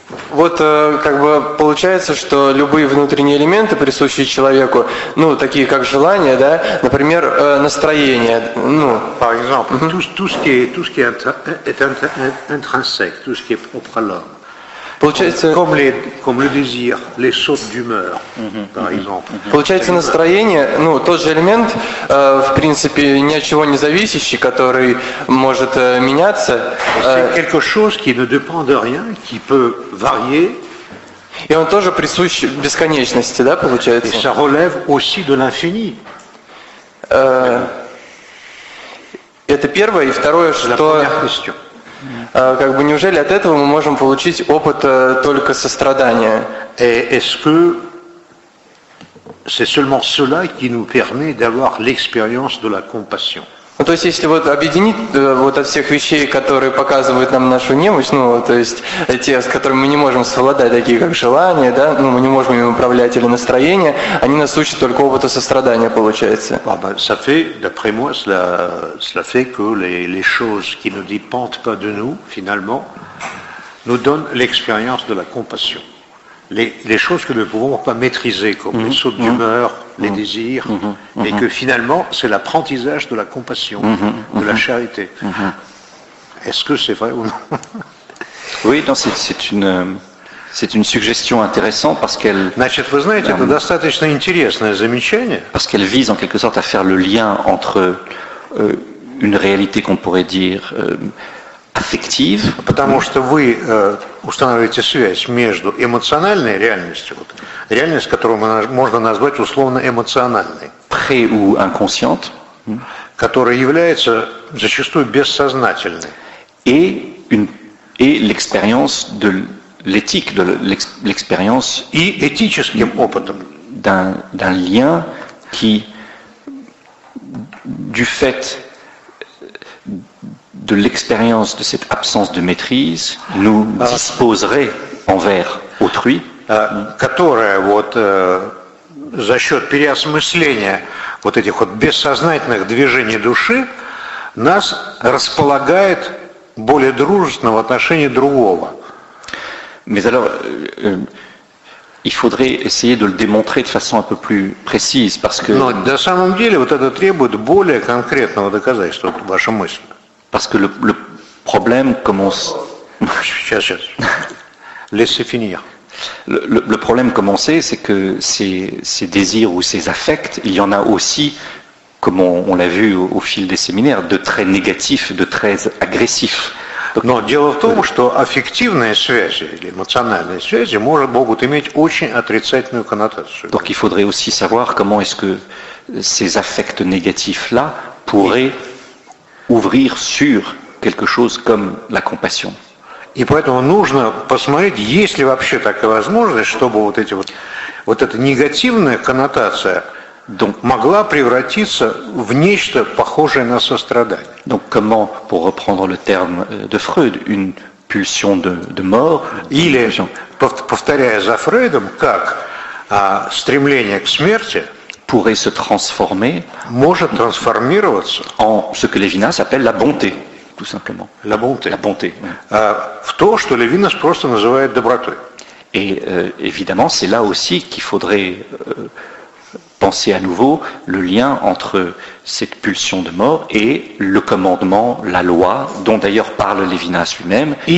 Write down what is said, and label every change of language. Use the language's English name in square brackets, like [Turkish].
[Russian] Вот как бы получается, что любые внутренние элементы, присущие человеку, ну, такие как желание, да, например, настроение, ну. [French] Par exemple, tout ce qui est intrinsèque, tout ce qui est propre à l'homme. [Russian] Получается, [French] comme le désir, les sautes d'humeur, par exemple. [Russian] Получается, настроение, ну, тот же элемент, в принципе, ни от чего не зависящий, который может меняться. [French] C'est quelque chose qui ne dépend de rien, qui peut varier. [Russian] И он тоже присущ бесконечности, да, получается? [French] Et ça relève aussi de l'infini. [Russian] Это первое, и второе, что... [French] La première question. [Russian] Как бы неужели от этого мы можем получить опыт только сострадания? [French] Est-ce que c'est seulement cela qui nous permet d'avoir l'expérience de la compassion? [Russian] Ну, то есть, если вот объединить вот от всех вещей, которые показывают нам нашу немощь, ну, то есть, те, с которыми мы не можем совладать, такие как желания, да, ну, мы не можем им управлять, или настроение, они нас учат только опыту сострадания, получается. [French] Ah, ben, ça fait, d'après moi, cela fait que les choses qui ne dépendent pas de nous, finalement, nous donnent l'expérience de la compassion. Les choses que nous ne pouvons pas maîtriser, comme les sautes d'humeur, les désirs, et que finalement, c'est l'apprentissage de la compassion, de la charité. Est-ce que c'est vrai ou non? Oui, non, c'est une suggestion intéressante parce qu'elle... [Russian] Значит, [French] vous [Russian] знаете, это достаточно интересное замечание. [French] Parce qu'elle vise en quelque sorte à faire le lien entre une réalité qu'on pourrait dire... affective, [Russian] потому что вы устанавливаете связь между эмоциональной реальностью, вот, реальность, которую можно назвать условно эмоциональной, [French] pré ou inconsciente, [Russian] которая является зачастую бессознательной, [French] et l'expérience de l'éthique, de l'expérience [Russian] и этическим опытом, [French] d'un lien qui du fait de l'expérience de cette absence de maîtrise nous disposerait envers autrui, [Russian] которая вот за счет переосмысления вот этих вот бессознательных движений души нас располагает более дружественного отношения другого. [French] Mais alors, il faudrait essayer de le démontrer de façon un peu plus précise, parce que. [Russian] Но на самом деле вот это требует более конкретного доказательства, вот ваша мысль. [French] Parce que le problème commence. [Russian] Сейчас. [French] Laissez finir. Le problème commencé, c'est que ces désirs ou ces affects, il y en a aussi, comme on l'a vu au fil des séminaires, de très négatifs, de très agressifs. [Russian] Но дело в том, что аффективные связи или эмоциональные связи могут иметь очень отрицательную коннотацию. [French] Donc il faudrait aussi savoir comment est-ce que ces affects négatifs-là pourraient ouvrir sur quelque chose comme la compassion. [Russian] И поэтому нужно посмотреть, есть ли вообще такая возможность, чтобы вот эти вот, вот эта негативная коннотация donc, могла превратиться в нечто похожее на сострадание. [French] Donc, comment, pour reprendre le terme de Freud, une pulsion de mort, [Russian] или, pulsion, повторяя за Фрейдом, как стремление к смерти [French] pourrait se transformer, [Russian] может трансформироваться [French] en ce que Levinas appelle la bonté, tout simplement. La bonté. La bonté. [Russian] В то, что Левинас просто называет добротой. [French] Et évidemment, c'est là aussi qu'il faudrait penser à nouveau le lien entre cette pulsion de mort et le commandement, la loi, dont d'ailleurs parle Levinas lui-même.